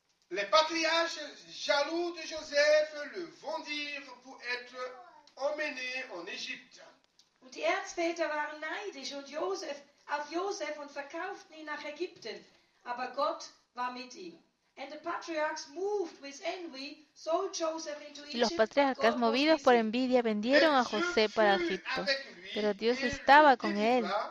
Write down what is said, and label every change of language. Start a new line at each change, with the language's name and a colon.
French: Les patriarches jaloux de Joseph le vendirent pour être emmenés en Égypte.
German: Und die Erzväter waren neidisch und Josef auf Josef und verkauften ihn nach Ägypten, aber Gott war mit ihm.
English: And the patriarchs moved with envy sold Joseph into Egypt.
Spanish: Los patriarcas movidos por envidia vendieron a José para Egipto, pero Dios estaba con él.